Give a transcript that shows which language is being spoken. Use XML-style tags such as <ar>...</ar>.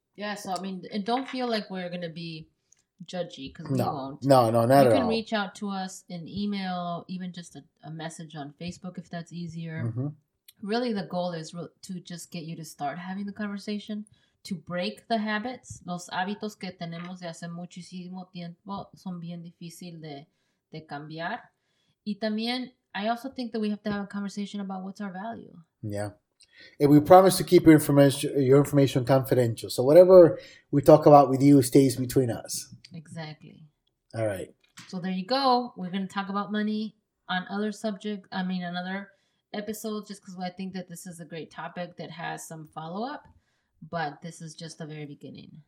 <en>Yeah, so I mean, and don't feel like we're going to be judgy because we won't. No, no, not at all. You can reach out to us in email, even just a message on Facebook if that's easier. Mm-hmm. Really, the goal is to just get you to start having the conversation, to break the habits.</en> <es>Los hábitos que tenemos de hace muchísimo tiempo son bien difícil de cambiar. Y también,</es> <en>I also think that we have to have a conversation about what's our value. Yeah. And we promise to keep your information confidential. So whatever we talk about with you stays between us. Exactly. All right. So there you go. We're going to talk about money on other subject. I mean, another episode, just because I think that this is a great topic that has some follow-up, but this is just the very beginning.</en>